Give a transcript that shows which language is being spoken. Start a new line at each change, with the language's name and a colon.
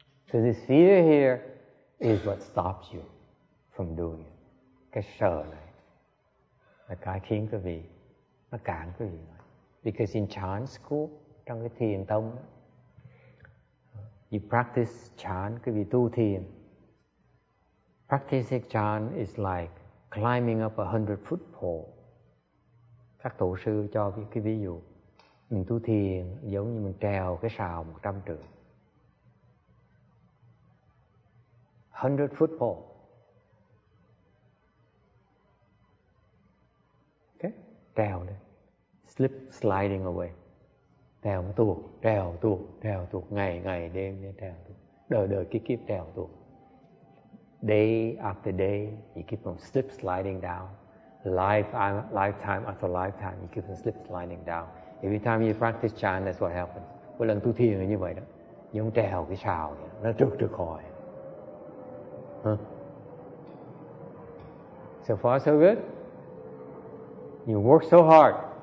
English: So this fear here is what stops you from doing it.
Vietnamese: Cái sợ này là cái khiến quý vị, nó cản quý vị.
English: Because in chan school,
Vietnamese: trong cái thiền tông,
English: you practice chan,
Vietnamese: quý vị tu thiền.
English: Practicing chan is like climbing up a 100-foot pole.
Vietnamese: Các tổ sư cho cái ví dụ, mình tu thiền giống như mình trèo cái sào 100 trượng.
English: 100-foot pole. Okay?
Vietnamese: Trèo lên.
English: Slip sliding away.
Vietnamese: Trèo tuột, trèo tuột, trèo tuột. Ngày ngày đêm trèo tuột. Đời đời kiếp kiếp trèo tuột.
English: day after day, you keep on slip sliding down. Lifetime after lifetime, you keep on slip sliding down. Every time you practice chan, that's what happens.
Vietnamese: Mỗi lần tu thiền như vậy đó, giống trèo cái sào vậy, nó trượt trượt hồi.
English: So far so good. You work so hard.